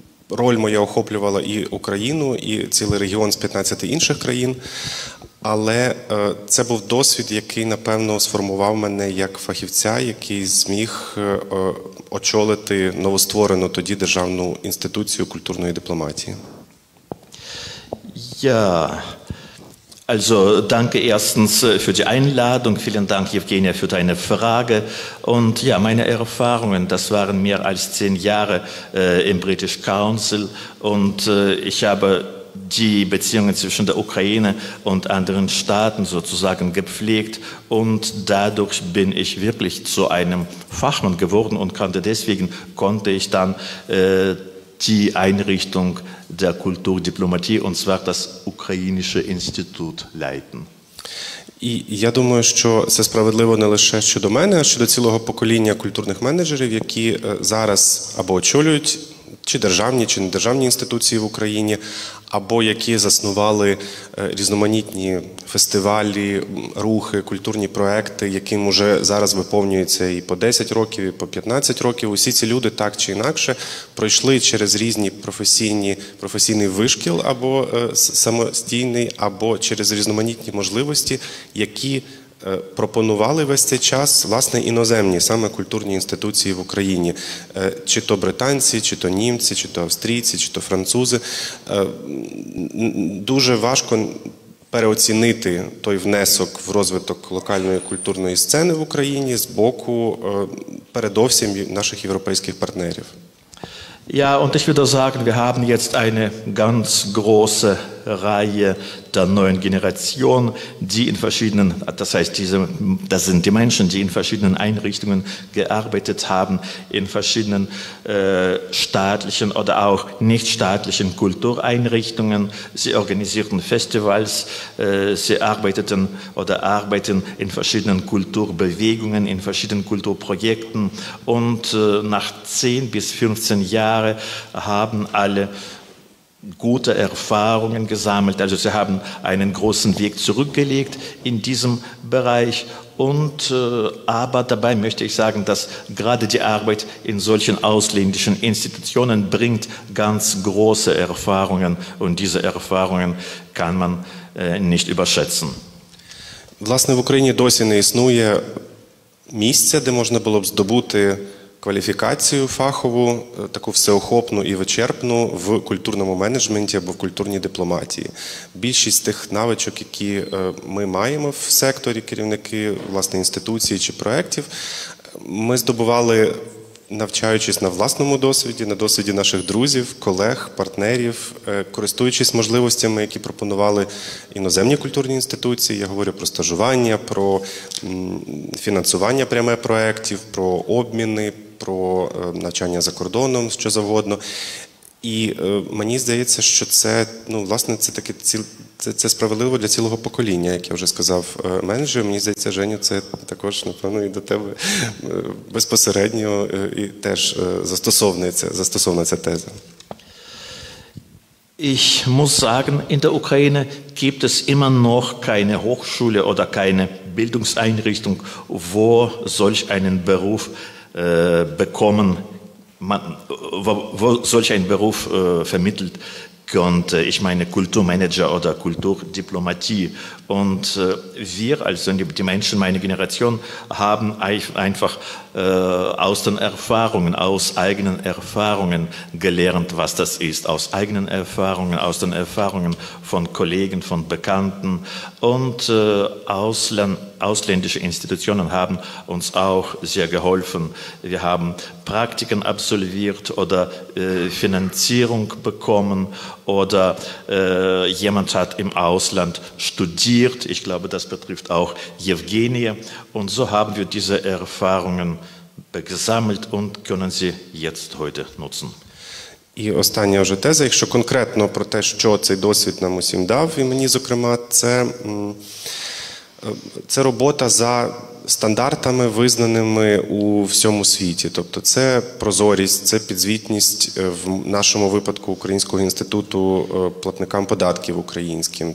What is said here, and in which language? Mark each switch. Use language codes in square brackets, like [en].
[uk] Роль моя охоплювала і Україну, і цілий регіон з 15 інших країн. Але це був досвід, який, напевно, сформував мене як фахівця, який зміг очолити новостворену тоді державну інституцію культурної дипломатії. [de] Also danke erstens für die Einladung. Vielen Dank, Evgenia, für deine Frage. Und ja, meine Erfahrungen, das waren mehr als 10 Jahre im British Council. Und ich habe die Beziehungen zwischen der Ukraine und anderen Staaten sozusagen gepflegt. Und dadurch bin ich wirklich zu einem Fachmann geworden und konnte ich dann die Einrichtung der Kulturdiplomatie, und zwar das ukrainische Institut, leiten. [uk] І я думаю, що це справедливо не лише щодо мене, а щодо цілого покоління культурних менеджерів, які зараз або очолюють чи державні, чи недержавні інституції в Україні, або які заснували різноманітні фестивалі, рухи, культурні проекти, яким уже зараз виповнюється і по 10 років, і по 15 років. Усі ці люди так чи інакше пройшли через різні професійний вишкіл, або самостійний, або через різноманітні можливості, які пропонували весь цей час, власне, іноземні, саме культурні інституції в Україні. Чи то британці, чи то німці, чи то австрійці, чи то французи. Дуже важко переоцінити той внесок в розвиток локальної культурної сцени в Україні з боку передовсім наших європейських партнерів. [de] Ja, und ich würde sagen, wir haben jetzt eine ganz große Reihe der neuen Generation, die in verschiedenen, das heißt, das sind die Menschen, die in verschiedenen Einrichtungen gearbeitet haben, in verschiedenen staatlichen oder auch nicht staatlichen Kultureinrichtungen. Sie organisierten Festivals, sie arbeiteten oder arbeiten in verschiedenen Kulturbewegungen, in verschiedenen Kulturprojekten, und nach 10 bis 15 Jahren haben alle gute Erfahrungen gesammelt. Also sie haben einen großen Weg zurückgelegt in diesem Bereich. Und aber dabei möchte ich sagen, dass gerade die Arbeit in solchen ausländischen Institutionen bringt ganz große Erfahrungen. Und diese Erfahrungen kann man nicht überschätzen. [uk] Власне, в Україні досі не існує місця, де можна було б здобути кваліфікацію фахову, таку всеохопну і вичерпну в культурному менеджменті або в культурній дипломатії. Більшість тих навичок, які ми маємо в секторі, керівники, власне, інституції чи проєктів, ми здобували, навчаючись на власному досвіді, на досвіді наших друзів, колег, партнерів, користуючись можливостями, які пропонували іноземні культурні інституції. Я говорю про стажування, про фінансування пряме проєктів, про обміни, про навчання за кордоном, що завгодно. І мені здається, що це, ну, власне, це таке це справедливо для цілого покоління, як я вже сказав менеджеру. Мені здається, Женю, це також, напевно, і до тебе безпосередньо і теж застосовується теза. [de] Ich muss sagen, in der Ukraine gibt es immer noch keine Hochschule oder keine Bildungseinrichtung, wo solch einen Beruf bekommen, wo solch ein Beruf vermittelt könnte. Ich meine Kulturmanager oder Kulturdiplomatie. Und wir, also die Menschen, meine Generation, haben einfach aus den Erfahrungen, aus eigenen Erfahrungen gelernt, was das ist. Aus eigenen Erfahrungen, aus den Erfahrungen von Kollegen, von Bekannten. Und ausländische Institutionen haben uns auch sehr geholfen. Wir haben Praktiken absolviert oder Finanzierung bekommen, oder jemand hat im Ausland studiert. Ich glaube, das betrifft auch Jewgenie. Und so haben wir diese Erfahrungen gesammelt und können sie jetzt heute nutzen. [uk] І остання вже теза, якщо конкретно про те, що цей досвід нам усім дав, і мені, зокрема, це робота за стандартами, визнаними у всьому світі. Тобто це прозорість, це підзвітність, в нашому випадку, Українського інституту платникам податків українським.